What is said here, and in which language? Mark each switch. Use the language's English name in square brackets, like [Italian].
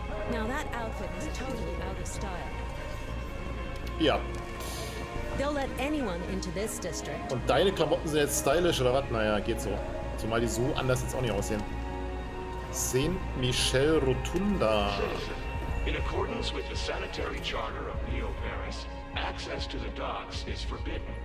[English] Now that outfit is totally out of style. [German] Ja. [English] They'll let anyone into this district. [German] Und deine Klamotten sind jetzt stylisch oder was? Naja, geht so. Zumal die so anders jetzt auch nicht aussehen. [English] Saint Michel Rotunda. In accordance with the sanitary charter of Neo Paris, access to the docks is forbidden.